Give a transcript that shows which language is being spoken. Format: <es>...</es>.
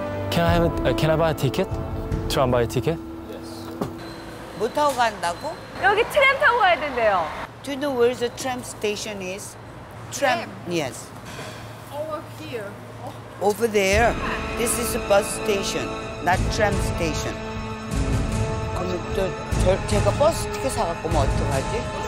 <en>'Can I buy a ticket? Tram buy a ticket? Yes.</en> <ko>뭐 타고 간다고? 여기 트램 타고 가야 된대요.</ko> <en>Do you know where the tram station is? Tram. Yes. Here. Over there, this is a bus station, not tram station.</en> <ko>그럼 제가 버스 티켓 사갖고 뭐 어떡하지?</ko>